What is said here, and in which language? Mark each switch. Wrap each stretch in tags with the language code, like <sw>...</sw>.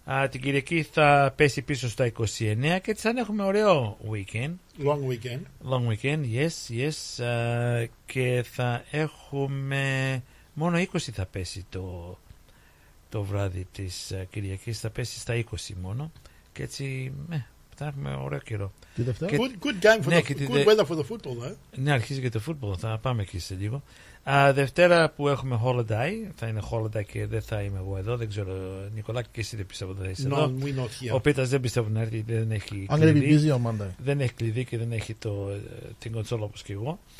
<el>Την Κυριακή θα πέσει πίσω στα 29 και θα έχουμε ωραίο weekend.</el> <en>Long weekend. Long weekend, yes, yes.</en> <el>Και θα έχουμε Μόνο 20 θα πέσει το βράδυ της Κυριακής, θα πέσει στα 20 μόνο. Και έτσι, θα έχουμε ωραίο καιρό.</el> <en>Και, good game for, ναι, the, good weather for the football, though.</en> <el>Ναι, αρχίζει και το football, θα πάμε εκεί σε λίγο. Δευτέρα που έχουμε holiday, θα είναι holiday και δεν θα είμαι εγώ εδώ. Δεν ξέρω, Νικολάκη, και εσύ δεν πιστεύω ότι θα είσαι εδώ. Ο Πίτας δεν πιστεύω να έρθει, δεν έχει κλειδί. Δεν έχει κλειδί και δεν έχει την κονσόλα όπως και εγώ.</el>